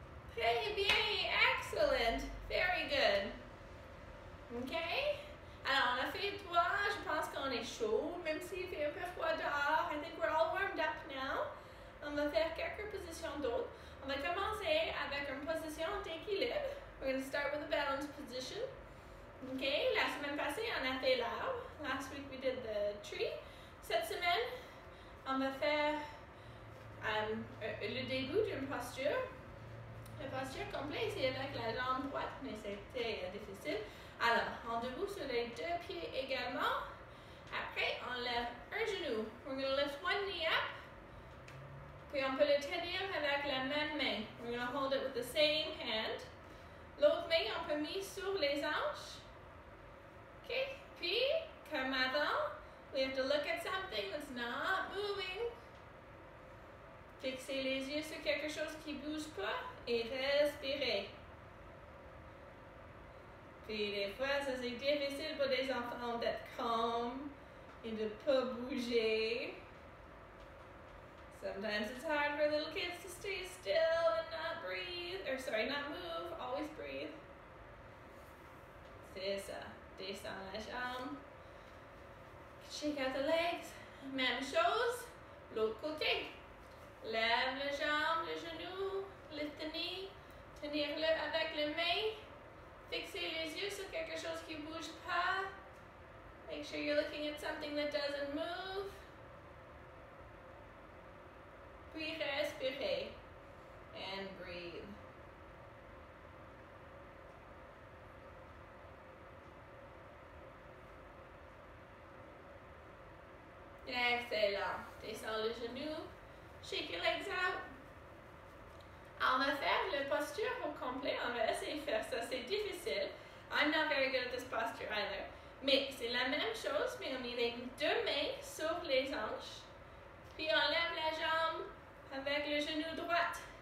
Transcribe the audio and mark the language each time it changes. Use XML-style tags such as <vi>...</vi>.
<fr>Très bien, excellent,</fr> <en>very good. Okay?</en> <fr>Alors, on a fait trois, je pense qu'on est chaud, même s'il fait un peu froid dehors.</fr> <en>I think we're all warmed up now.</en> <fr>On va faire quelques positions d'autres. On va commencer avec une position d'équilibre.</fr> <en>We're going to start with a balance position.</en> <fr>Okay, la semaine passée, on a fait l'arbre.</fr> <en>Last week, we did the tree.</en> <fr>Cette semaine, on va faire le début d'une posture. La posture complète, c'est avec la jambe droite, mais c'était difficile. Alors, on debout sur les deux pieds également. Après, on lève un genou.</fr> <en>We're going to lift one knee up.</en> <fr>Puis, on peut le tenir avec la même main.</fr> <en>We're going to hold it with the same hand.</en> <fr>L'autre main, on peut mettre sur les hanches. OK? Puis, comme avant,</fr> <en>we have to look at something that's not moving.</en> <fr>Fixer les yeux sur quelque chose qui ne bouge pas et respirer. Puis, des fois, ça c'est difficile pour des enfants d'être calme et de ne pas bouger.</fr> <en>Sometimes it's hard for little kids to stay still and not breathe. Or sorry, not move. Always breathe.</en> <fr>C'est ça. Descends la jambe.</fr> <en>Shake out the legs.</en> <fr>Même chose. L'autre côté. Lève la jambe, le genou.</fr> <en>Lift the knee.</en> <fr>Tenir-le avec les mains. Fixer les yeux sur quelque chose qui ne bouge pas.</fr> <en>Make sure you're looking at something that doesn't move.</en> <fr>Puis respirer</fr> <en>and breathe.</en> <fr>Excellent. Descends le genou.</fr> <en>Shake your legs out.</en> <fr>On va faire la posture au complet. On va essayer de faire ça. C'est difficile.</fr> <en>I'm not very good at this posture either.</en> <fr>Mais c'est la même chose, mais on met deux mains sur les hanches. Puis on lève la jambe avec le genou droit.</fr>